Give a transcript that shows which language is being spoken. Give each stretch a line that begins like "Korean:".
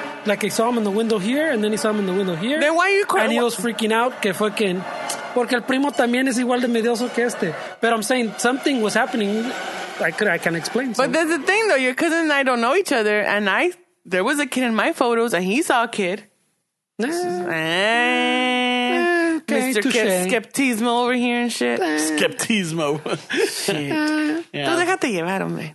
English: Like, he saw him in the window here, and then he saw him in the window here. Then why are you crying? And he was freaking out,
Spanish: que fue que... Porque el primo también es igual de medioso que este.
English: But I'm saying something was happening. I can't explain. But there's the thing, though. Your cousin and I don't know each other, and there was a kid in my photos, and he saw a kid. Mr. Skeptismo over here and shit. Skeptismo. Shit. Yeah.
Spanish: Déjate llevar, hombre.